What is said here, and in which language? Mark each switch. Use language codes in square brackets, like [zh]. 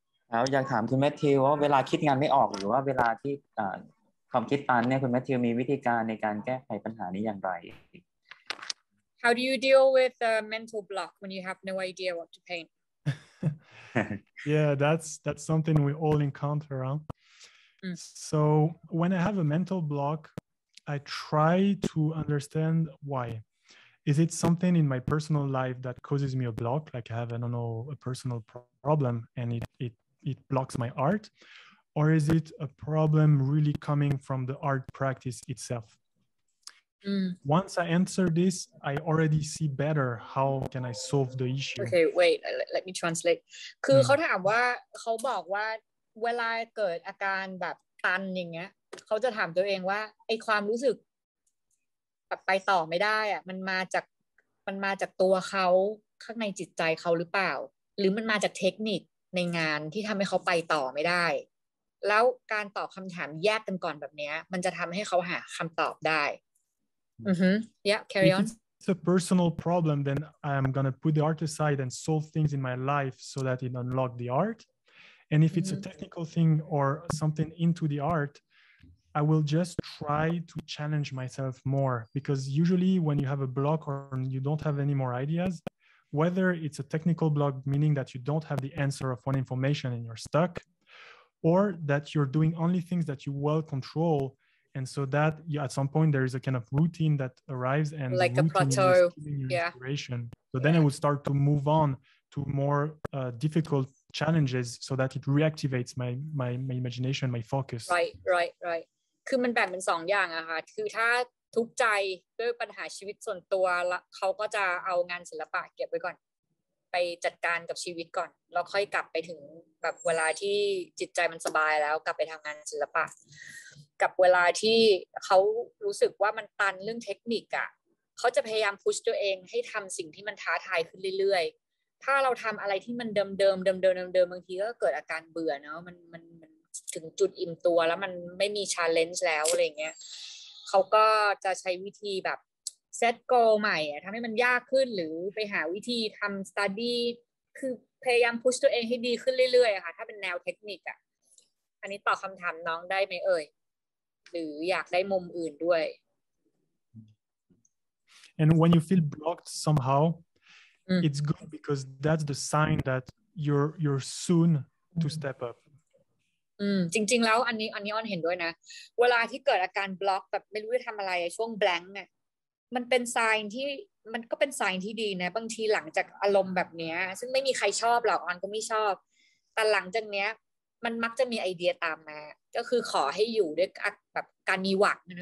[th] แล้วอยากถามคุณแมทธิวว่าเวลาคิดงานไม่ออกหรือว่าเวลาที่ความคิดตันเนี่ยคุณแมทธิวมีวิธีการในการแก้ไขปัญหานี้อย่างไร [en] How do you deal with the mental block when you have no idea what to paint Yeah that's something we all encounter huh? So when I have a mental block I try to understand whyIs it something in my personal life that causes me a block, like I have, I don't know, a personal problem and it blocks my art? or is it a problem really coming from the art practice itself? Mm. Once I answer this, I already see better how can I solve the issue. Okay, wait, let me translate. [th] คือเขาถามว่าเขาบอกว่าเวลาเกิดอาการแบบตันอย่างเงี้ยเขาจะถามตัวเองว่าไอ้ความรู้สึกแบบไปต่อไม่ได้อ่ะมันมาจากตัวเขาข้างในจิตใจเขาหรือเปล่าหรือมันมาจากเทคนิคในงานที่ทำให้เขาไปต่อไม่ได้แล้วการตอบคำถามแยกกันก่อนแบบเนี้ยมันจะทำให้เขาหาคำตอบได้ [en] Yeah, carry on. If it's a personal problem, then I'm going to put the art aside and solve things in my life so that it unlocks the art. And if it's a technical thing or something into the art, I will just try to challenge myself more. Because usually when you have a block or you don't have any more ideas, whether it's a technical block, meaning that you don't have the answer of one information and you're stuck, or that you're doing only things that you well control, and so that at some point there is a kind of routine that arrives and like a plateau, inspiration. So then I would start to move on to more difficult challenges so that it reactivates my imagination, my focus. Right. [th] คือมันแบ่งเป็น2อย่างอ่ะค่ะคือถ้าทุกข์ใจด้วยปัญหาชีวิตส่วนตัวเขาก็จะเอางานศิลปะเก็บไว้ก่อนไปจัดการกับชีวิตก่อนแล้วค่อยกลับไปถึงแบบเวลาที่จิตใจมันสบายแล้วกลับไปทำงานศิลปะ กับเวลาที่เขารู้สึกว่ามันตันเรื่องเทคนิคอ่ะเขาจะพยายามพุชตัวเองให้ทำสิ่งที่มันท้าทายขึ้นเรื่อยๆถ้าเราทำอะไรที่มันเดิมบางทีก็เกิดอาการเบื่อเนาะมันถึงจุดอิ่มตัวแล้วมันไม่มีชาเลนจ์แล้วอะไรเงี้ย เขาก็จะใช้วิธีแบบเซตโกลใหม่ทำให้มันยากขึ้นหรือไปหาวิธีทำสตัดดี้คือพยายามพุชตัวเองให้ดีขึ้นเรื่อยๆค่ะถ้าเป็นแนวเทคนิคอ่ะอันนี้ตอบคำถามน้องได้ไหมเอ่ยหรืออยากได้มุมอื่นด้วย [en] And when you feel blocked somehow it's good because that's the sign that you're soon to step up [th] จริงๆแล้วอันนี้ออนเห็นด้วยนะเวลาที่เกิดอาการบล็อกแบบไม่รู้จะทำอะไรช่วง blank เนี่ยมันเป็นไซน์ที่มันก็เป็นไซน์ที่ดีนะบางทีหลังจากอารมณ์แบบเนี้ยซึ่งไม่มีใครชอบหรอกออนก็ไม่ชอบแต่หลังจากเนี้ยมันมักจะมีไอเดียตามมาก็คือขอให้อยู่ด้วยแบบการมีหวัง